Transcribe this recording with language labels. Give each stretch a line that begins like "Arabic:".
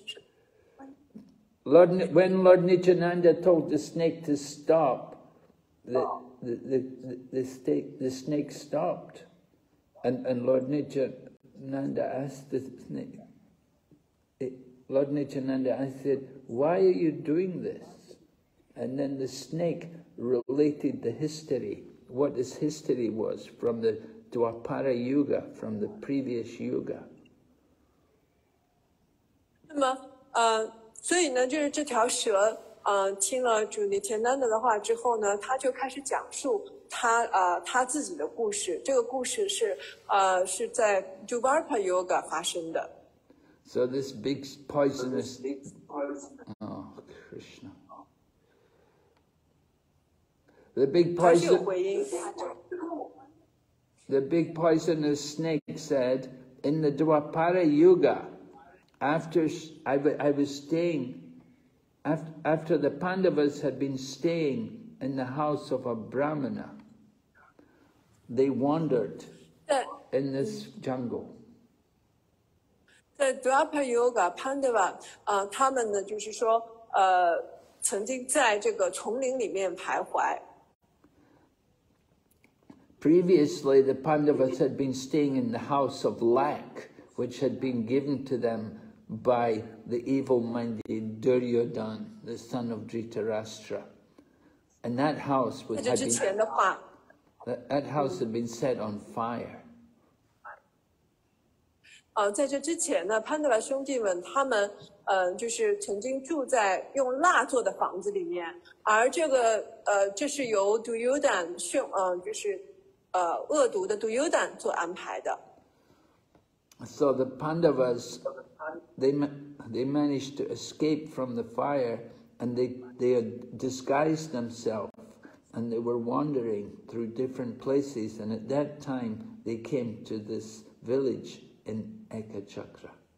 Chinese: 不是
English: ？Lord, when Lord Nityananda told the snake to stop, the snake stopped, and Lord Nityananda asked the snake. Lord Nityananda, I said, why are you doing this? And then the snake. Related the history, what this history was from the Dwapara Yuga, from the previous Yuga.
Chinese: 那么，所以呢，就是这条蛇，听了主尼天丹的话之后呢，他就开始讲述他他自己的故事。这个故事是在 Dwapara Yuga 发生的。
English: So this big poisonous. Oh, Krishna. The big poisonous snake said, in the Dwapara Yuga, after the Pandavas had been staying in the house of a Brahmana, they wandered in this jungle.
Chinese: 在 Dwapara Yuga, Pandava, 他们呢就是说曾经在这个丛林里面徘徊。
English: Previously, the Pandavas had been staying in the house of lack, which had been given to them by the evil-minded Duryodhan, the son of Dhritarashtra. And that house was, had been, that house had been set on fire.
Chinese: 在这之前呢，潘德拉兄弟们他们，就是曾经住在用蜡做的房子里面，而这个，这是由 Duryodhan 凶，就是。恶毒的 Duryodhan 做安排的。
English: So the Pandavas, they managed to escape from the fire, and they had disguised themselves, and they were wandering through different places. And at that time, they came to this village in Ekachakra.